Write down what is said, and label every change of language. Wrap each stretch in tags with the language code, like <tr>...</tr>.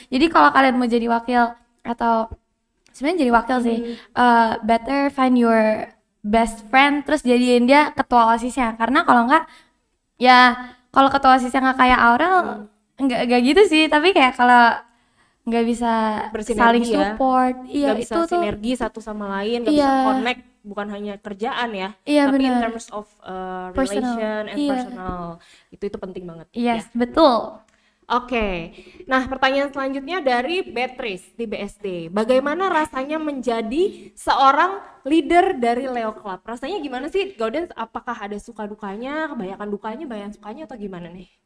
<id>Jadi kalau kalian mau jadi wakil atau sebenarnya jadi wakil sih,</id> <en>better find your best friend</en> <id>terus jadiin dia ketua OSIS-nya. Karena kalau enggak, ya kalau ketua OSIS-nya enggak kayak Aurel, enggak gitu sih. Tapi kayak kalau enggak bisa bersinergi, saling support, ya. Iya, bisa itu sinergi tuh, satu sama lain, enggak bisa connect, bukan hanya kerjaan ya, iya, tapi bener.</id> <en>In terms of relation personal. And personal.</en> <id>Itu penting banget. Yes, ya. Betul. Oke, nah pertanyaan selanjutnya dari Beatrice di BSD. Bagaimana rasanya menjadi seorang leader dari Leo Club? Rasanya gimana sih, Gaudens? Apakah ada suka dukanya, kebanyakan dukanya, banyak sukanya atau gimana nih?</id>